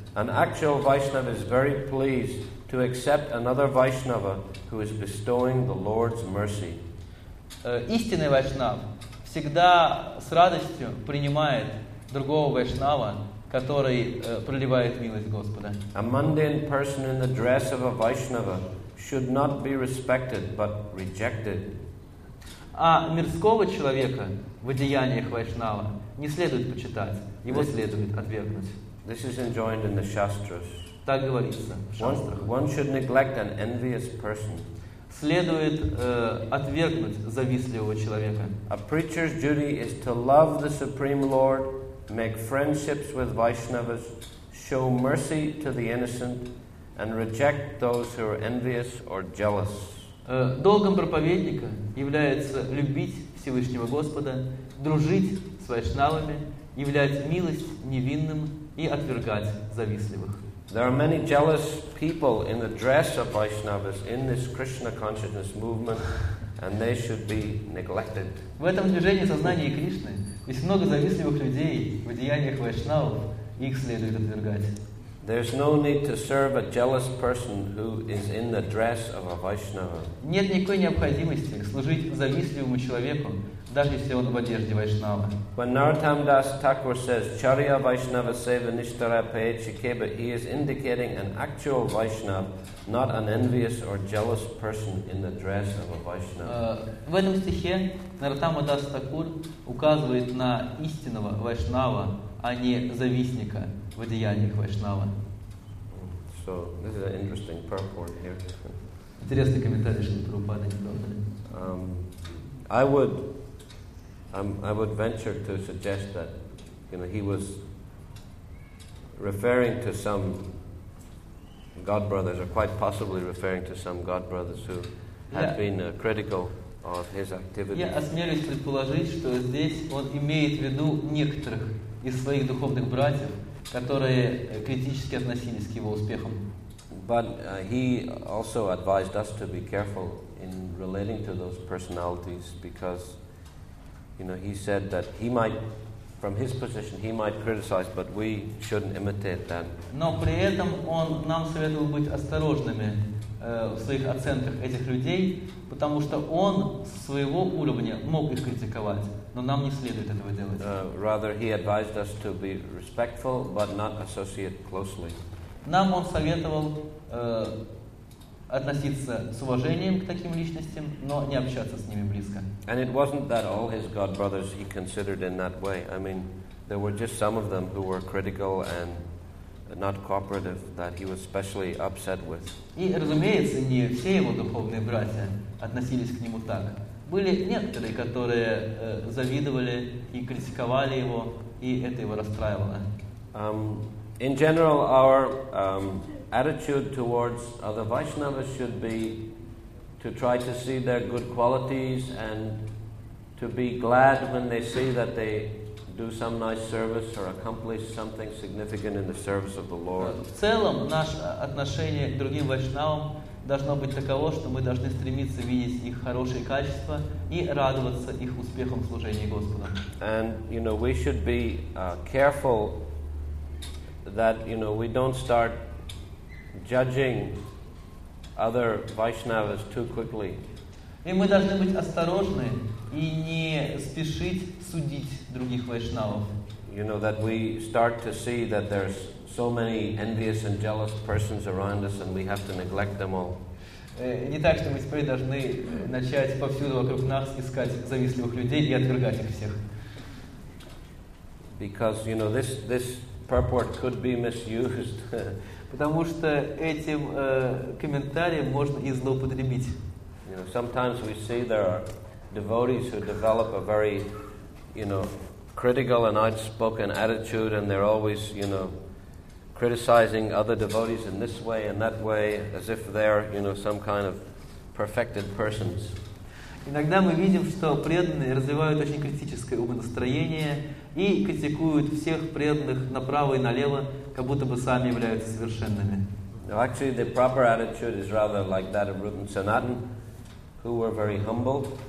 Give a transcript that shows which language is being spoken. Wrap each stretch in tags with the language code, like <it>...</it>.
<en>An actual Vaishnava is very pleased to accept another Vaishnava who is bestowing the Lord's mercy.</en> <ru>Истинный вайшнав всегда с радостью принимает другого вайшнава, который проливает милость Господа.</ru> <en>A mundane person in the dress of a Vaishnava should not be respected, but rejected.</en> <ru>А мирского человека в одеяниях вайшнава не следует почитать, его следует отвергнуть.</ru> <en>This is enjoined in the Shastras.</en> <ru>Так говорится в Шастрах.</ru> <en>One should neglect an envious person.</en> <ru>Следует отвергнуть завистливого человека.</ru> <en>A preacher's duty is to love the Supreme Lord, make friendships with Vaishnavas, show mercy to the innocent, and reject those who are envious or jealous.</en> <ru>Долгом проповедника является любить Всевышнего Господа, дружить с вайшнавами, являть милость невинным и отвергать завистливых.</ru> <en>There are many jealous people in the dress of Vaishnavas in this Krishna consciousness movement, and they should be neglected.</en> <ru>В этом движении сознания Кришны есть много завистливых людей в одеяниях вайшнавов, их следует отвергать.</ru> <en>There's no need to serve a jealous person who is in the dress of a Vaishnava.</en> <ru>Нет никакой необходимости служить завистливому человеку, даже если он в одежде Вайшнава.</ru> <en>When Narottam Das Thakur says</en> <bn>Charya Vaishnava Seva Nishtara Paichikeba,</bn> <en>he is indicating an actual Vaishnava, not an envious or jealous person in the dress of a Vaishnava.</en> <ru>В этом стихе Narottam Das Thakur указывает на истинного Вайшнава, а не завистника в одеяниях Вайшнава.</ru> <en>So, this is an interesting purport here.</en> <ru>Интересный комментарий, что Прабхупада сделали.</ru> <en>I would venture to suggest that, you know, he was referring to some god brothers, or quite possibly referring to some god brothers who had been critical of his activities.</en> <ru>Я осмелюсь предположить, что здесь он имеет в виду некоторых из своих духовных братьев, которые критически относились к его успехам.</ru> <en>But he also advised us to be careful in relating to those personalities, because, you know, he said that he might, from his position, he might criticize, but we shouldn't imitate that.</en> <ru>Но при этом он нам советовал быть осторожными в своих оценках этих людей, потому что он с своего уровня мог их критиковать, но нам не следует этого делать.</ru> <en>Rather, he advised us to be respectful, but not associate closely.</en> <ru>Нам он советовал относиться с уважением к таким личностям, но не общаться с ними близко.</ru> <en>And it wasn't that all his god brothers he considered in that way. I mean, there were just some of them who were critical and not cooperative that he was specially upset with.</en> <ru>И, разумеется, не все его духовные братья относились к нему так. Были некоторые, которые завидовали и критиковали его, и это его расстраивало.</ru> <en>In general, our attitude towards other Vaishnavas should be to try to see their good qualities and to be glad when they see that they do some nice service or accomplish something significant in the service of the Lord.</en> <ru>В целом, наше отношение к другим Вайшнавам должно быть таково, что мы должны стремиться видеть их хорошие качества и радоваться их успехам в служении Господу.</ru> <en>And, you know, we should be careful that, you know, we don't start judging other Vaishnavas too quickly.</en> <ru>И мы должны быть осторожны и не спешить судить других Вайшнавов.</ru> <en>You know, that we start to see that there's so many envious and jealous persons around us and we have to neglect them all.</en> <ru>Не так, что мы теперь должны начать повсюду вокруг нас искать завистливых людей и отвергать их всех.</ru> <en>Because, you know, this purport could be misused.</en> <ru>Потому что этим комментарием можно и злоупотребить.</ru> <en>You know, sometimes we see there are devotees who develop a very, you know, critical and outspoken attitude, and they're always, you know, criticizing other devotees in this way and that way, as if they're, you know, some kind of perfected persons.</en> <ru>Иногда мы видим, что преданные развивают очень критическое умонастроение и критикуют всех преданных направо и налево, как будто бы сами являются совершенными.</ru> <en>Now, actually, the proper attitude is rather like that of Rupa Sanatan, who were very humble.</en>